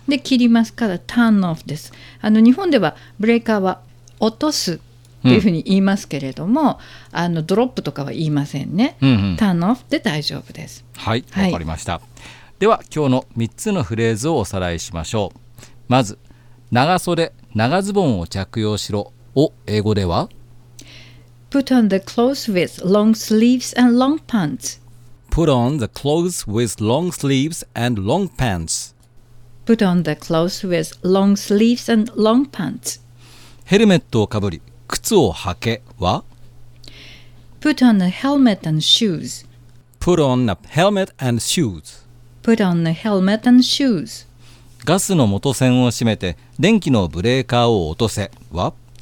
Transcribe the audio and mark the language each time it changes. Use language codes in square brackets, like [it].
[ja] で切りますからターンオフです。あの日本ではブレーカーは落とすっていうふうに言いますけれども、うん、あのドロップとかは言いませんね、うんうん、ターンオフで大丈夫です。はい、わかりました。では今日の3つのフレーズをおさらいしましょう。まず長袖長ズボンを着用しろを英語では [en] Put on the clothes with long sleeves and long pants. Put on the clothes with long sleeves and long pants. Put on the clothes with long sleeves and long pants. [ja] ヘルメットをかぶり靴を履けは [en] Put on a helmet and shoes. Put on a helmet and shoes. Put on the helmet and shoes. [ja] ガスの元栓を閉めて電気のブレーカーを落とせは